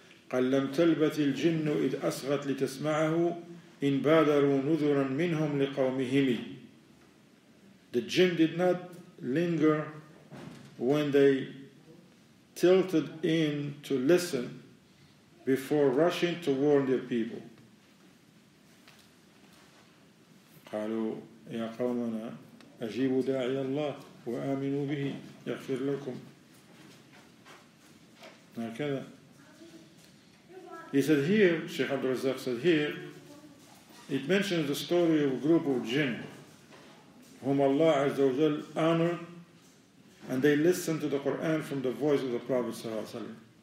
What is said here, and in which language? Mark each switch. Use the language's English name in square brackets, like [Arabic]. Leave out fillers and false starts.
[Arabic] قَلَّمْ تَلْبَثِ الْجِنُّ إِذْ أَصْغَتْ لِتَسْمَعَهُ إِنْ بَادَرُوا نُذُرًا مِنْهُمْ لِقَوْمِهِمِ. [English] The jinn did not linger when they tilted in to listen before rushing to warn their people. [Arabic] قالوا يا قومنا أجيبوا داعي الله وآمنوا به يغفر لكم. هكذا. [English] He said here, Sheikh Abdul Razak said here, it mentions the story of a group of jinn whom Allah Azza wa Jal honored, and they listened to the Quran from the voice of the Prophet Sallallahu Alaihi Wasallam.